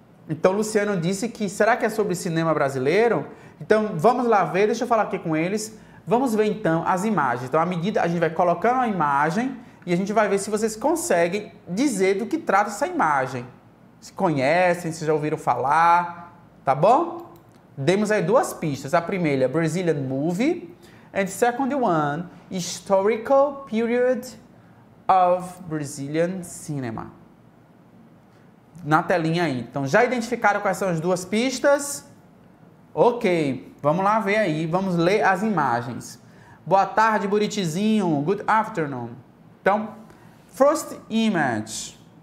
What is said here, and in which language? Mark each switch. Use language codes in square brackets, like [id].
[pt] Então, Luciano disse que será que é sobre cinema brasileiro? Então, vamos lá ver, deixa eu falar aqui com eles. Vamos ver, então, as imagens. Então, à medida, a gente vai colocando a imagem e a gente vai ver se vocês conseguem dizer do que trata essa imagem. Se conhecem, se já ouviram falar, tá bom? Demos aí duas pistas. A primeira, [en] Brazilian movie. And second one, historical period of Brazilian cinema. [pt] Na telinha aí. Então, já identificaram quais são as duas pistas? Ok, vamos lá ver aí, vamos ler as imagens. Boa tarde, Buritizinho. [en] Good afternoon. [pt] Então, [en] first image.